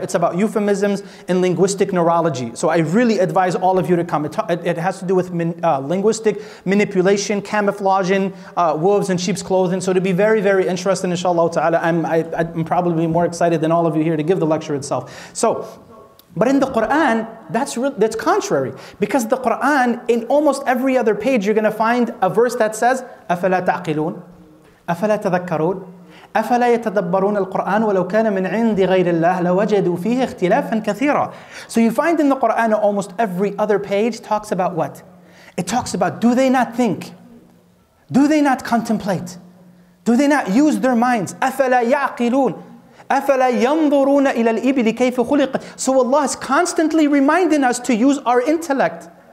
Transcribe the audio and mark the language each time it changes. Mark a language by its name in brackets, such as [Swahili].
[English] It's about euphemisms and linguistic neurology. So I really advise all of you to come. It has to do with linguistic manipulation, camouflaging, wolves and sheep's clothing. So it'll be very, very interesting, inshallah ta'ala. I'm probably more excited than all of you here to give the lecture itself. So. But in the Quran, that's contrary. Because the Quran, in almost every other page, you're going to find a verse that says, [Arabic] أَفَلَا تَعْقِلُونَ أَفَلَا تَذَكَّرُونَ أَفَلَا يَتَدَبَّرُونَ الْقُرْآنَ وَلَوْ كَانَ مِنْ عِنْدِ غَيْرِ اللَّهِ لَوَجَدُوا فِيهِ اخْتِلَافًا كَثِيرًا. [English] So you find in the Quran, almost every other page talks about what? It talks about, do they not think? Do they not contemplate? Do they not use their minds? [Arabic] أَفَلَا يَعْقِلُونَ أَفَلَا يَنْظُرُونَ إِلَى الْإِبْلِ كَيْفِ خُلِقَتْ. [English] So Allah is constantly reminding us to use our intellect.